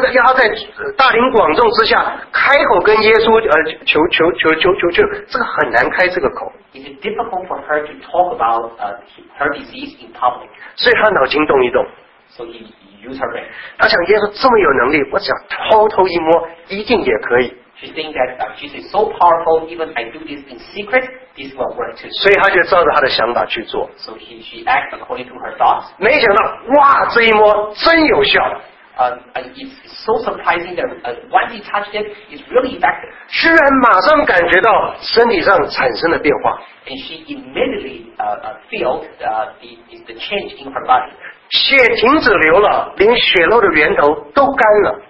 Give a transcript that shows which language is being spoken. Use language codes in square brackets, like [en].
[zh] 在大庭广众之下开口跟耶稣求，这个很难开这个口。 [en] Is it difficult for her to talk about her disease in public? [zh] 所以她脑筋动一动。 [en] So he used her brain. [zh] 她想耶稣这么有能力，我只要偷偷一摸，一定也可以。 [en] She thinks that Jesus is so powerful, even I do this in secret. This will work too. [zh] 所以他就照着他的想法去做。 [en] So she acts according to her thoughts. [zh] 没想到，哇，这一摸真有效。 [en] It's so surprising that once he touched it, it's really effective. [zh] 居然马上感觉到身体上产生了变化。 [en] And she immediately felt the change in her body. [zh] 血停止流了，连血肉的源头都干了。